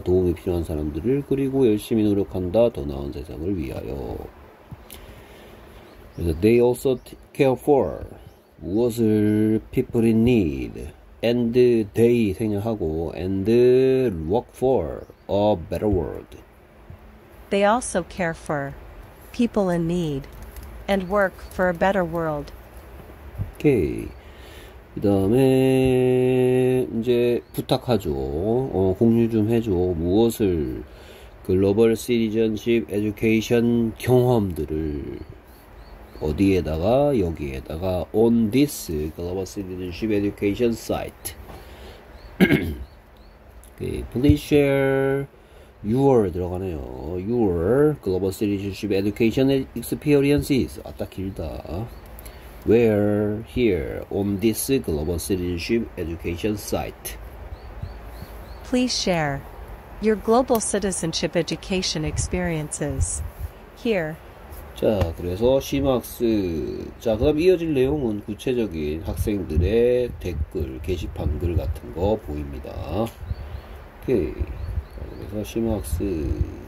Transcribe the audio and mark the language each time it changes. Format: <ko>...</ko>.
<ko>도움이 필요한 사람들을 그리고 열심히 노력한다. 더 나은 세상을 위하여. 그래서</ko> <en>they also care for</en> <ko>무엇을</ko> <en>people in need and they</en> <ko>생략하고</ko> <en>and work for a better world. They also care for people in need and work for a better world.</en> <ko>오케이. 그다음에 이제 부탁하죠. 공유 좀 해줘. 무엇을 글로벌 시티즌십 에듀케이션 경험들을 어디에다가 여기에다가</ko> <en>on this global citizenship education site.</en> <ko>오케이.</ko> <en>Please share your</en> <ko>들어가네요.</ko> <en>Your global citizenship education experiences.</en> <ko>아따 길다.</ko> <en>Where? Here on this global citizenship education site. Please share your global citizenship education experiences here.</en> <ko>자, 그래서 C마크스. 자, 그다음 이어질 내용은 구체적인 학생들의 댓글, 게시판 글 같은 거 보입니다. 오케이. 그래서 C마크스.</ko>